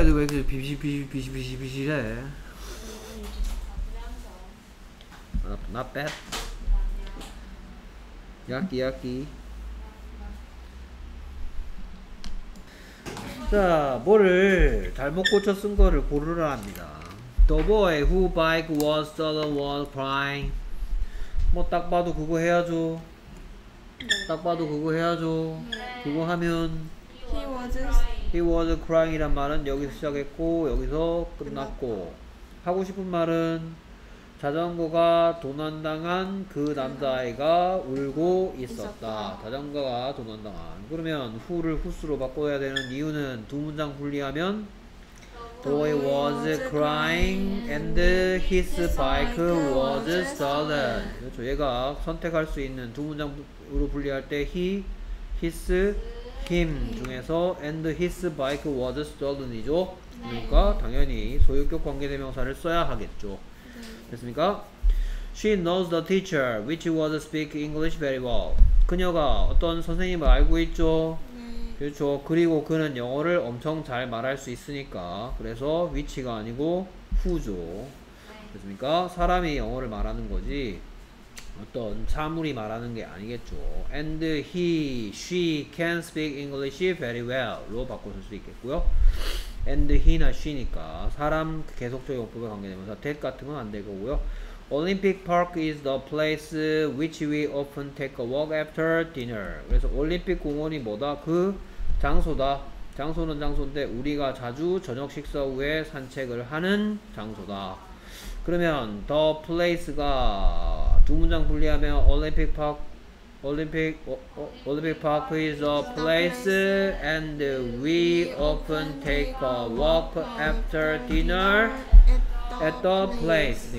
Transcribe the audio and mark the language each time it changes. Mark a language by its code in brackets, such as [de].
[ko] 애들 왜 이렇게 비실비실비실비실해? [en] 나 not bad. 야끼 야끼. [ko] 자, 뭐를 잘못 고쳐 쓴 거를 고르라 합니다. [en] The boy who bike was sudden was crying. [ko] 뭐 딱 봐도 그거 해야죠. 딱 봐도 그거 해야죠. 그거 하면 [en] He was crying [ko] 이란 말은 여기서 시작했고 여기서 끝났고 하고 싶은 말은 자전거가 도난당한 그 남자아이가 울고 있었다. 자전거가 도난당한. 그러면 who를 who's로 바꿔야 되는 이유는 두 문장 분리하면 [en] Boy was crying and his bike was stolen. [ko] 그렇죠. 얘가 선택할 수 있는 두 문장으로 분리할 때 he, his, him 중에서 [en] and his bike was stolen [ko] 이죠. 그러니까 당연히 소유격 관계대명사를 써야 하겠죠. 됐습니까? [en] She knows the teacher which was speak English very well. [ko] 그녀가 어떤 선생님을 알고 있죠? 그렇죠. 그리고 그는 영어를 엄청 잘 말할 수 있으니까 그래서 which가 아니고 who죠. 됐습니까? 사람이 영어를 말하는 거지 어떤 사물이 말하는 게 아니겠죠. [en] And he, she can speak English very well로 [ko] 바꿔줄 수 있겠고요. And he나 she니까 사람 계속적 용법에 관계되면서 that 같은 건 안 되고요. [en] Olympic Park is the place which we often take a walk after dinner. [ko] 그래서 올림픽 공원이 뭐다? 그 장소다. 장소는 장소인데 우리가 자주 저녁 식사 후에 산책을 하는 장소다. 그러면 [en] the place가 [ko] 두 문장 분리하면 [en] Olympic Park Olympic Park is a place and we often take a walk after dinner at the place.